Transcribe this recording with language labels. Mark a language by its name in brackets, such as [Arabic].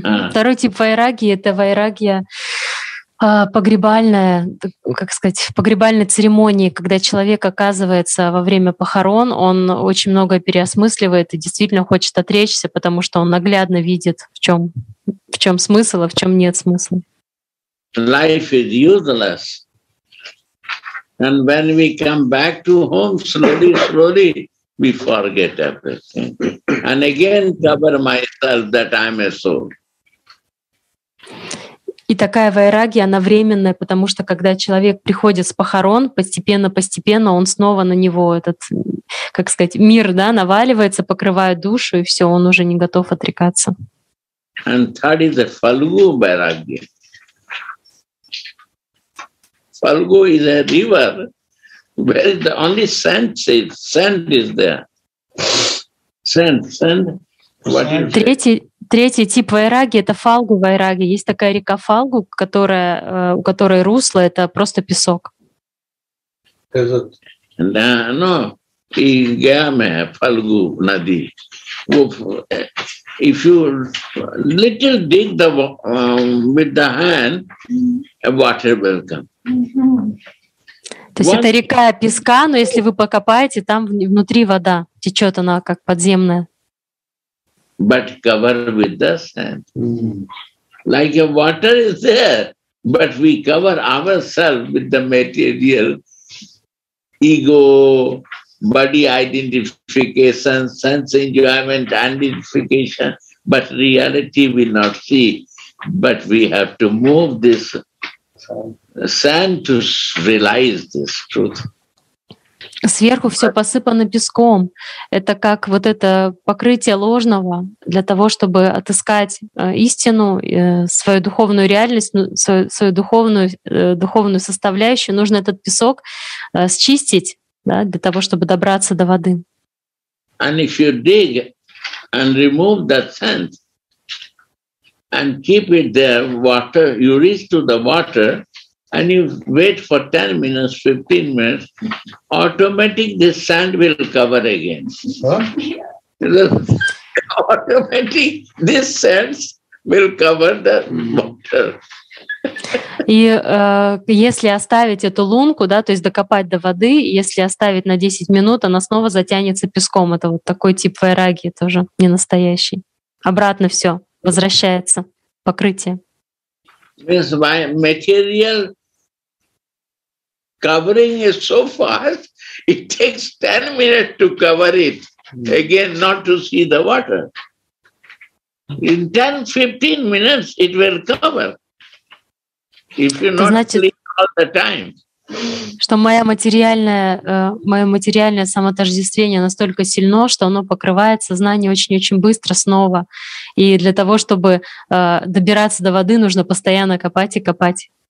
[Russian] Второй тип вайраги — это вайрагия погребальная, как сказать, в погребальной церемонии, когда человек оказывается во время похорон, он очень многое переосмысливает и действительно хочет отречься, потому что он наглядно видит, в чем смысл, а в чем нет смысла. [English] Life is useless. And when we come back to home, slowly, slowly, we forget everything. And again, cover myself that I'm a soul. [Russian] И такая вайраги, она временная, потому что когда человек приходит с похорон, постепенно он снова на него этот, как сказать, мир, да, наваливается, покрывает душу, и все, он уже не готов отрекаться. [English] And third is a Falgu vairagya. Falgu is a river where the only sand is there. Sand. What is it? [Russian] Третий тип вайраги — это фалгу вайраги. Есть такая река Фалгу, которая, у которой русло — это просто песок. Да, но и гаме фалгу нади. [English] If you little dig the with the hand, water will come. [Russian] То есть это река песка, но если вы покопаете, там внутри вода течет, она как подземная. [English] But covered with the sand. Like a water is there, but we cover ourselves with the material ego, body identification, sense enjoyment, identification, but reality will not see. But we have to move this sand to realize this truth. [Russian] Сверху все посыпано песком. Это как вот это покрытие ложного для того, чтобы отыскать истину, свою духовную реальность, свою духовную составляющую. Нужно этот песок счистить, да, для того, чтобы добраться до воды. [English] And if you dig and remove that sand and keep it there, water, you reach to the water. And you wait for 10 minutes, 15 minutes, automatically this sand will cover again. Huh? Automatically this sand will cover the water. [Russian] И если оставить эту лунку, да, то есть докопать до воды, если оставить на 10 минут, она снова затянется песком. Это вот такой тип вайраги тоже не настоящий. Обратно все возвращается, покрытие. [English] Means my material covering is so fast, it takes 10 minutes to cover it, again, not to see the water. In 10-15 minutes, it will cover, if you not sleep all the time. [Russian] Что мое материальное самоотождествление настолько сильно, что оно покрывает сознание очень-очень быстро снова. И для того, чтобы добираться до воды, нужно постоянно копать и копать.